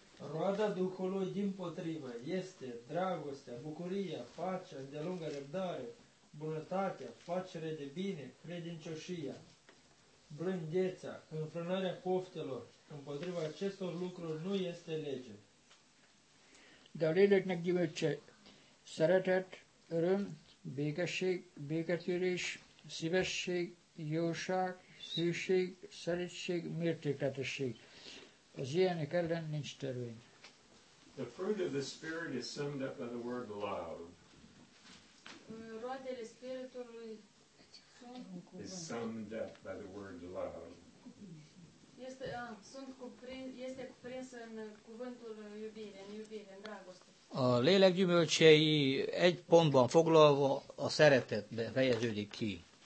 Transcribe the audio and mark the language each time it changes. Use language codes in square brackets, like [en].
[ro] Roada Duhului din potrivă este dragostea, bucuria, pacea, îndelungă răbdare, bunătatea, facere de bine, credincioșia, blândețea, înfrânarea poftelor. Împotriva acestor lucruri nu este lege. [hu] Dar léleknek gyümölcse szeretet, öröm, békesség, béketűrés, szívesség, jóság, hűség, szerítség, mértékletesség. Az ilyenek ellen nincs törvény. [en] The fruit of the Spirit is summed up by the word love. [ro] Roadele Spiritului [en] is summed up by the word love. [ro] Este cuprins în cuvântul iubire, în iubire, în dragoste. [hu] A lélek gyümölcsei egy pontban foglalva a szeretetbe fejeződik ki.